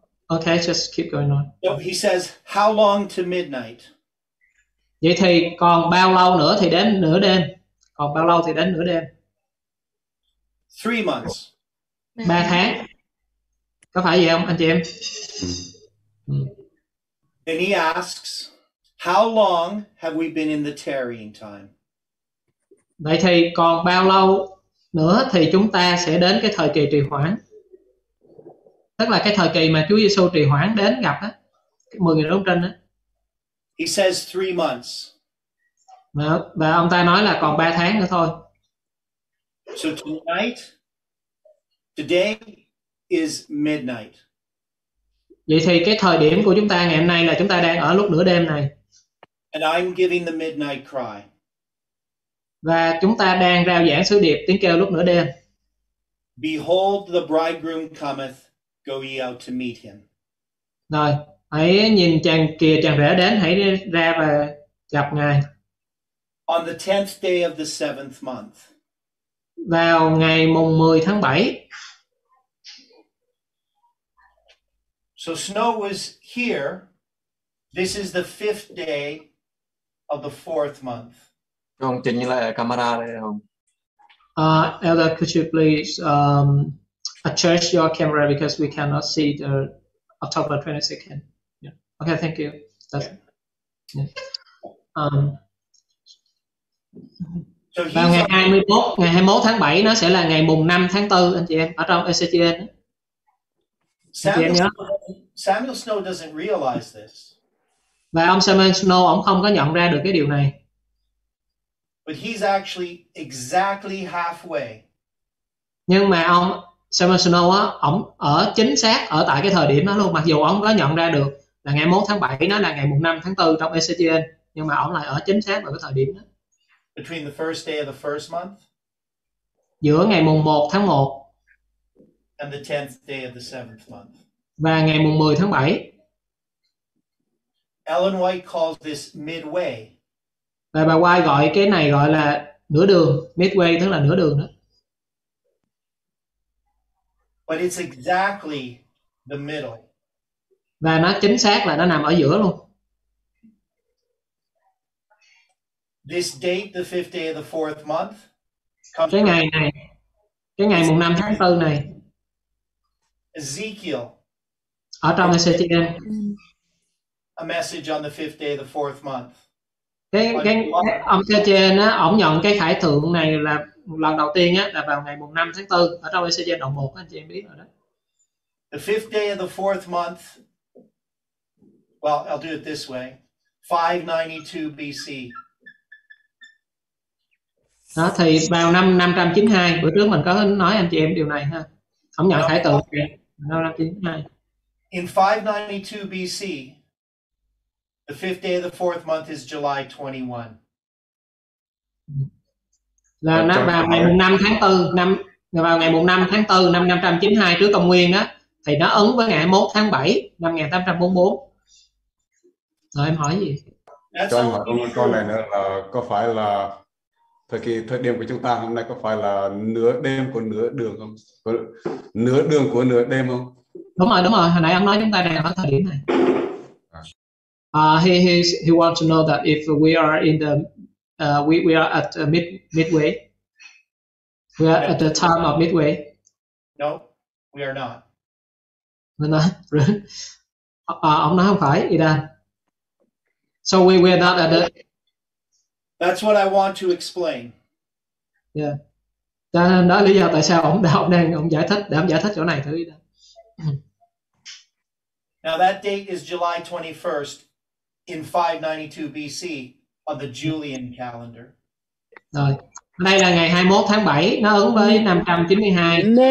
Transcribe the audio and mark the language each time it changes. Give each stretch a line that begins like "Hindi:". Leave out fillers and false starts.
English: Okay, just keep going on. So he says, how long to midnight?
Vietnamese: Vậy thì còn bao lâu nữa thì đến nửa đêm? Còn bao lâu thì đến nửa đêm?
English: 3 months.
Vietnamese: 3 tháng. Có phải vậy không anh chị em?
English: And he asks, how long have we been in the tarrying time?
Vietnamese: Vậy thì còn bao lâu nữa thì chúng ta sẽ đến cái thời kỳ trì hoãn? Tức là cái thời kỳ mà Chúa Giêsu trì hoãn đến gặp á, 10 ngày đóng trên á.
English: He says 3 months.
Vietnamese: Và ông ta nói là còn 3 tháng nữa thôi.
English: So tonight, today is midnight.
Vietnamese: Vậy thì cái thời điểm của chúng ta ngày hôm nay là chúng ta đang ở lúc nửa đêm này.
English: And I'm giving the midnight cry.
Vietnamese: Và chúng ta đang rao giảng sứ điệp tiếng kêu lúc nửa đêm.
English: Behold, the bridegroom cometh, go ye out to meet him.
Vietnamese: Rồi, hãy nhìn chàng kìa chàng rể đến, hãy ra và gặp ngài.
English: On the 10th day of the 7th month.
Vietnamese: Vào ngày mùng 10 tháng 7.
English: So snow was here. This is the 5th day of the 4th month.
Vietnamese: Không chỉnh lại camera đây không?
English: Elder, could you please adjust your camera because we cannot see the October 22nd. Yeah. Okay, thank you. That's, So
Vietnamese: ngày 21, ngày 21 tháng 7 nó sẽ là ngày mùng 5 tháng 4 anh chị em ở trong ECGN.
English: Samuel Snow doesn't realize this.
Vietnamese: Và ông Samuel Snow ổng không có nhận ra được cái điều này.
English: But he's actually exactly halfway.
Vietnamese: Nhưng mà ông Samuel Snow á, ổng ở chính xác ở tại cái thời điểm đó luôn, mặc dù ổng có nhận ra được là ngày 1 tháng 7 nó là ngày mùng 5 tháng 4 trong ECGN, nhưng mà ổng lại ở chính xác ở cái thời điểm đó.
English: Between the first day of the first month.
Vietnamese: Giữa ngày mùng 1 tháng 1.
English: And the 10th day of the 7th month.
Vietnamese: Và ngày mùng 10 tháng 7.
English: Ellen White calls this midway.
Vietnamese: Và bà White gọi cái này gọi là nửa đường, midway tức là nửa đường đó.
English: But it's exactly the middle.
Vietnamese: Và nó chính xác là nó nằm ở giữa luôn.
English: This date, the 5th day of the 4th month, comes
Vietnamese: cái ngày này, cái ngày mùng 5 tháng 4 này.
English: Ezekiel.
Vietnamese: Ở trong Ezekiel.
English: A message on the 5th day of the 4th month.
Vietnamese: Ezekiel á, ổng nhận cái khải tượng này là lần đầu tiên á, là vào ngày mùng 5 tháng 4 ở trong Ezekiel đoạn 1 anh chị em biết rồi đó.
English: The 5th day of the 4th month. Well, I'll do it this way. 592 BC.
Vietnamese: Đó thì vào năm 592, bữa trước mình có nói anh chị em điều này ha. Ổng nhận khải tượng năm 592.
English: In 592 BC, the 5th day of the 4th month is July 21.
Vietnamese: Là nó vào ngày mùng 5 tháng 4, năm vào ngày mùng 5 tháng 4 năm 592 trước công nguyên đó thì nó ứng với ngày 1 tháng 7 năm 1844. Rồi em hỏi gì? Cho em hỏi một câu này nữa là có phải là thời kỳ thời điểm của chúng ta hôm nay có phải là nửa đêm của nửa đường không? Nửa đường của nửa đêm không? Đúng rồi. Hồi nãy anh nói chúng ta đang ở thời điểm này.
English: He wants to know that if we are in the we are at midway. We are at the time of midway. No, we are not. We're not.
Vietnamese: Ông nói không phải, Idan.
English: So we are not at the. That's what I want to explain. Yeah.
Vietnamese: Đó lý do tại sao ông giải thích để ông giải thích chỗ này thử Idan.
English: Now that date is July 21st in 592 BC on the Julian calendar.
Vietnamese: Rồi, Đây là ngày 21 tháng 7, nó ứng với 592.